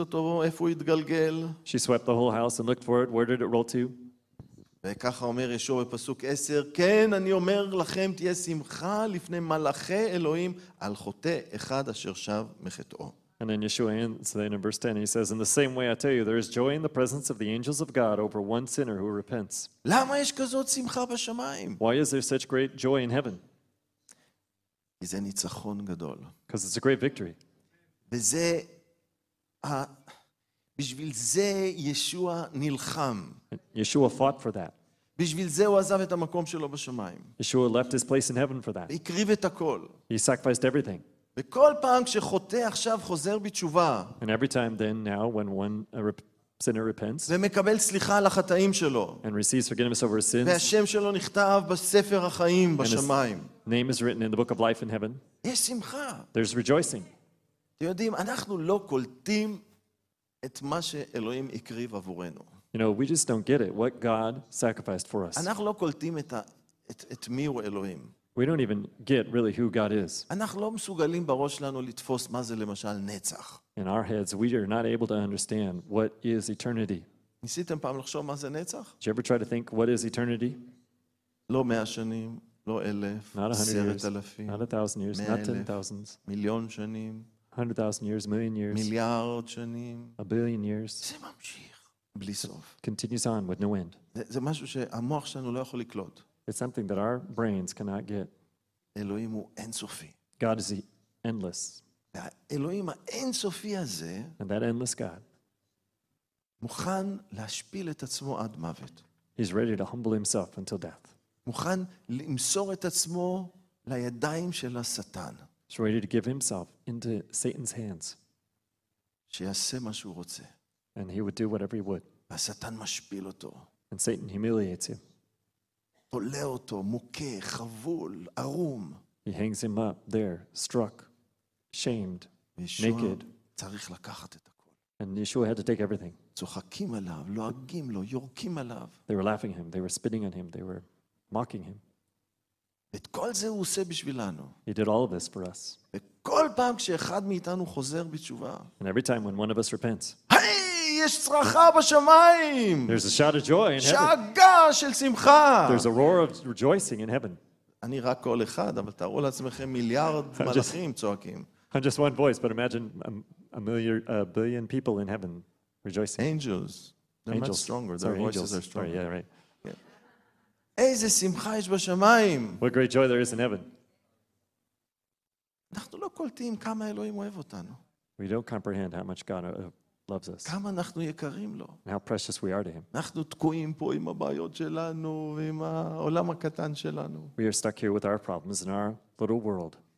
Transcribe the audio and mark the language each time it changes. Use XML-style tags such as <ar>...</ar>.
<en>She swept the whole house and looked for it. Where did it roll to?</en> <he>וככה אומר ישוע בפסוק 10, כן, אני אומר לכם, תהיה שמחה לפני מלאכי אלוהים על חוטא אחד אשר שב מחטאו.</he> <en>And then Yeshua ends in verse 10, he says, in the same way I tell you, there is joy in the presence of the angels of God over one sinner who repents.</en> <he>למה יש כזאת שמחה בשמיים?</he> <en>Why is there such great joy in heaven?</en> <he>כי זה ניצחון גדול.</he> <en>Because it's a great victory.</en> <he>וזה, בשביל זה ישוע נלחם.</he> <en>Yeshua fought for that.</en> <he>בשביל זה הוא עזב את המקום שלו בשמיים.</he> <en>Yeshua left his place in heaven for that.</en> <he>הקריב את הכל.</he> <en>He sacrificed everything.</en> <he>וכל פעם כשחוטא עכשיו חוזר בתשובה.</he> <en>And every time then now when one sinner repents.</en> <he>ומקבל סליחה על החטאים שלו.</he> <en>And receives forgiveness over his sins.</en> <he>והשם שלו נכתב בספר החיים בשמיים.</he> <en>And his name is written in the book of life in heaven.</en> <he>יש שמחה.</he> <en>There's rejoicing.</en> <he>אתם יודעים, אנחנו לא קולטים את מה שאלוהים הקריב עבורנו.</he> <en>You know, we just don't get it, what God sacrificed for us.</en> <he>אנחנו לא קולטים את מי הוא אלוהים.</he> <en>We don't even get really who God is.</en> <he>אנחנו לא מסוגלים בראש שלנו לתפוס מה זה למשל נצח.</he> <en>In our heads, we are not able to understand what is eternity.</en> <he>ניסיתם פעם לחשוב מה זה נצח?</he> <en>Did you ever try to think what is eternity?</en> <he>לא 100 שנים, לא 1,000, 10,000,</he> <en>not 1,000 years, not 10,000.</en> <he>מיליון שנים.</he> <en>100,000 years, million years.</en> <he>מיליארד שנים.</he> <en>A billion years.</en> <he>זה ממשיך. בלי סוף.</he> <en>Continues on with no end.</en> <he>זה משהו שהמוח שלנו לא יכול לקלוט.</he> <en>It's something that our brains cannot get.</en> <he>אלוהים הוא אינסופי.</he> <en>God is endless.</en> <he>האלוהים האינסופי הזה,</he> <en>and that endless God,</en> <he>מוכן להשפיל את עצמו עד מוות.</he> <en>He's ready to humble himself until death.</en> <he>מוכן למסור את עצמו לידיים של השטן.</he> <en>He's ready to give himself into Satan's hands.</en> <he>שיעשה מה שהוא רוצה.</he> <en>And he would do whatever he would.</en> <he>והשטן משפיל אותו.</he> <en>And Satan humiliates him.</en> <he>תולה אותו, מוכה, חבול, ערום.</he> <en>He hangs him up there, struck, shamed, naked.</en> <he>צריך לקחת את הכל.</he> <en>And Yeshua had to take everything.</en> <he>צוחקים עליו, לועגים לו, יורקים עליו.</he> <en>They were laughing at him, they were spitting on him, they were mocking him.</en> <he>ואת כל זה הוא עושה בשבילנו.</he> <en>He did all of this for us.</en> <he>וכל פעם כשאחד מאיתנו חוזר בתשובה.</he> <en>And every time when one of us repents.</en> <he>היי! יש צרחה בשמיים.</he> <en>There's a shout of joy in</en> <he>שגה</he> <en>heaven.</en> <he>שגה של שמחה.</he> <en>There's a roar of rejoicing in heaven.</en> <he>אני רק קול אחד, אבל תארו לעצמכם מיליארד מלאכים צועקים.</he> <en>I'm just one voice, but imagine a billion people in heaven rejoicing. Angels. They're angels. Much stronger. Their Sorry, voices angels. Are stronger. Sorry, yeah, right.</en> <he>איזה שמחה יש בשמיים.</he> <en>What great joy there is in heaven.</en> <he>אנחנו לא קולטים כמה אלוהים אוהב אותנו.</he> <en>We don't comprehend how much God loves us.</en> <he>כמה אנחנו יקרים לו.</he> <en>How precious we are to him.</en> <he>אנחנו תקועים פה עם הבעיות שלנו ועם העולם הקטן שלנו.</he> <en>We are stuck here with our problems in our little world.</en>